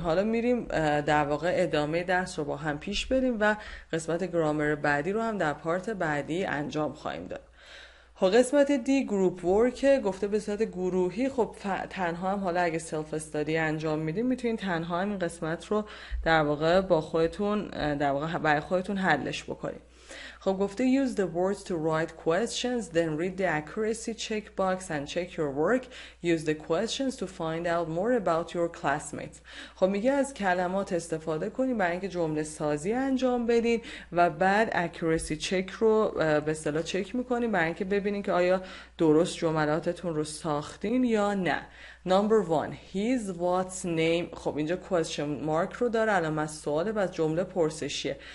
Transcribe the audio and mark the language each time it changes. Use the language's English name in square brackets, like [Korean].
[Persian] حالا میریم در واقع ادامه درس رو با هم پیش بریم و قسمت گرامر بعدی رو هم در پارت بعدی انجام خواهیم داد. خب قسمت دی گروپ ورک گفته به صورت گروهی، خب تنها هم حالا اگه سلف استادی انجام میدیم میتونید تنها هم این قسمت رو در واقع با خودتون در واقع برای خودتون حلش بکنید. خب گفته [English] use the words to write questions, then read the accuracy check box and check your work. Use the questions to find out more about your classmates. [Persian] خب میگه از کلمات استفاده کنید برای اینکه جمله سازی انجام بدین و بعد accuracy check رو به اصطلاح چک میکنید برای اینکه ببینید که آیا درست جملاتتون رو ساختین یا نه. [English] Number one, his what's name. [Persian] خب اینجا question mark رو داره، علامت سواله و جمله پرسشیه.